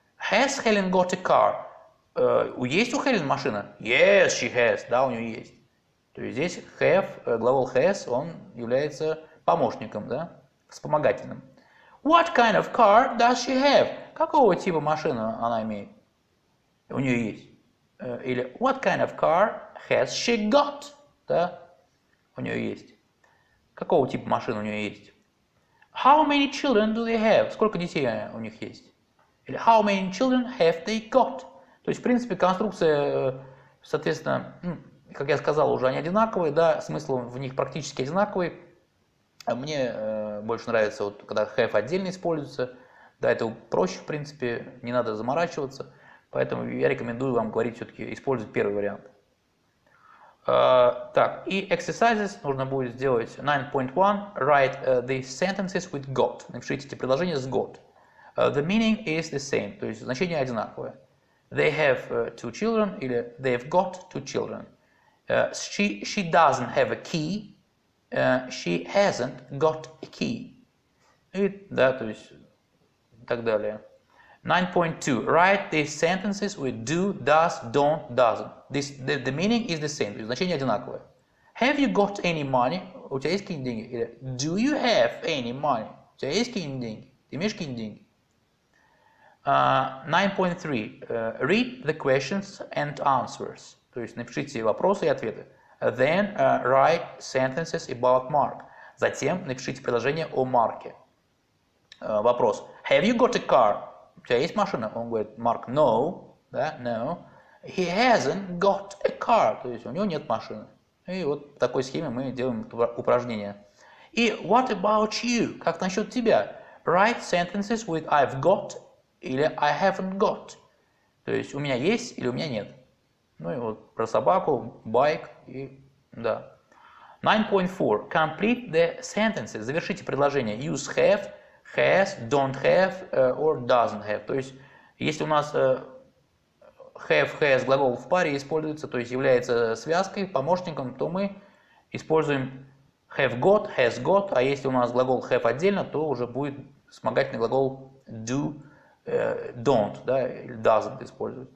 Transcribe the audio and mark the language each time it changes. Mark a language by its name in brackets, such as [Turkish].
[English] Has Helen got a car? [Russian] Есть у Helen машина? [English] Yes, she has. [Russian] Да, у нее есть. То есть здесь have, глагол has, он является помощником, да, вспомогательным. [English] What kind of car does she have? [Russian] Какого типа машины она имеет? У нее есть. Или [English] what kind of car has she got? [Russian] Да? У нее есть. Какого типа машины у нее есть? [English] How many children do they have? [Russian] Сколько детей у них есть? Или [English] how many children have they got? [Russian] То есть, в принципе, конструкция, соответственно, как я сказал, уже они одинаковые, да, смысл в них практически одинаковый. Мне больше нравится, вот, когда have отдельно используется. Да, это проще, в принципе, не надо заморачиваться. Поэтому я рекомендую вам говорить все-таки, использовать первый вариант. Так, и exercises нужно будет сделать 9.1. [English] Write the sentences with got. [Russian] Напишите эти предложения с got. [English] The meaning is the same. [Russian] То есть значение одинаковое. [English] They have two children [Russian] или [English] they've got two children. She doesn't have a key. She hasn't got a key. [Russian] И, да, то есть, так далее. 9.2. [English] Write these sentences with do, does, don't, doesn't. The meaning is the same. [Russian] То есть, значение одинаковое. [English] Have you got any money? [Russian] У тебя есть какие-нибудь деньги? Или, [English] do you have any money? [Russian] У тебя есть какие-нибудь деньги? Ты имеешь какие-нибудь деньги? [English] 9.3. Read the questions and answers. [Russian] То есть, напишите вопросы и ответы. [English] Then write sentences about Mark. [Russian] Затем напишите предложение о Марке. Вопрос. [English] Have you got a car? [Russian] У тебя есть машина? Он говорит, Марк, no. Да, no. [English] He hasn't got a car. [Russian] То есть у него нет машины. И вот в такой схеме мы делаем упражнение. И [English] what about you? [Russian] Как насчет тебя? [English] Write sentences with I've got [Russian] или [English] I haven't got. [Russian] То есть у меня есть или у меня нет. Ну и вот про собаку, байк и да. [English] 9.4. Complete the sentences. [Russian] Завершите предложение. [English] Use have, has, don't have, or doesn't have. [Russian] То есть, если у нас have, has глагол в паре используется, то есть является связкой, помощником, то мы используем have got, has got, а если у нас глагол have отдельно, то уже будет вспомогательный глагол do, don't, да, или doesn't использовать.